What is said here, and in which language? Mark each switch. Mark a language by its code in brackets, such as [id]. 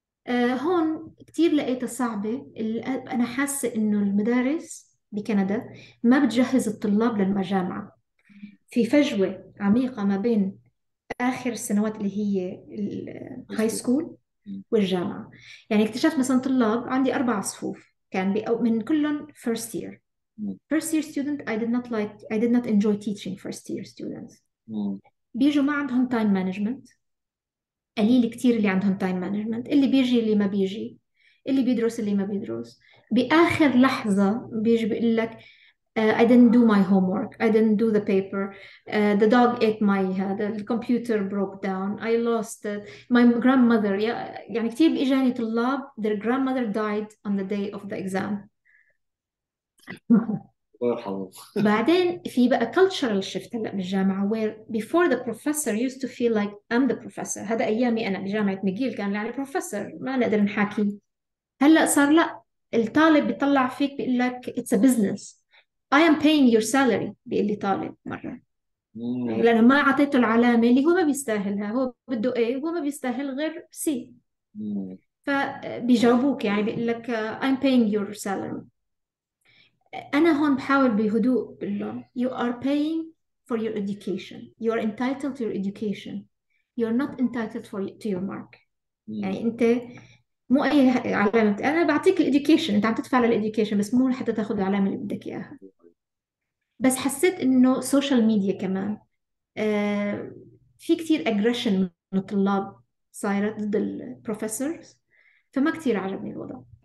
[ar] هون كتير لقيتها صعبة. أنا حاسة إنه المدارس بكندا ما بتجهز الطلاب للجامعة، في فجوة عميقة ما بين آخر السنوات اللي هي الهاي سكول والجامعة. يعني اكتشفت مثلا طلاب عندي 4 صفوف كان من كلهم [en] first year، first year student I did not like I did not enjoy teaching first year students. [ar] بيجوا ما عندهم [en] time management، [ar] قليل كتير اللي عندهم تايم مانجمنت، اللي بيجي اللي ما بيجي، اللي بيدرس اللي ما بيدرس، بآخر لحظة بيجي بيقول لك [en] I didn't do my homework, I didn't do the paper, the dog ate my head, the computer broke down, I lost it, my grandmother. [ar] يعني كتير بإجاني طلاب [en] their grandmother died on the day of the exam. [ar] بعدين في بقى [en] cultural shift [ar] هلا بالجامعه، [en] where before the professor used to feel like I'm the professor. [ar] هذا ايامي انا بجامعه ميجيل كان يعني professor ما نقدر نحاكي. هلا صار لا، الطالب بيطلع فيك بيقول لك [en] it's a business, I am paying your salary، [ar] بيقول لي طالب مره، لانه ما اعطيته العلامه اللي هو ما بيستاهلها، هو بده A هو ما بيستاهل غير C، فبيجاوبوك يعني بيقول لك [en] I'm paying your salary. [ar] أنا هون بحاول بهدوء بالله، [en] you are paying for your education, you are entitled to your education, you are not entitled for to your mark. [ar] يعني أنت مو أي علامة، أنا بعطيك ال education، أنت عم تدفع لل education بس مو لحتى تاخذ العلامة اللي بدك إياها. بس حسيت إنه social media كمان في كتير aggression من الطلاب صايرة ضد ال professors، فما كتير عجبني الوضع.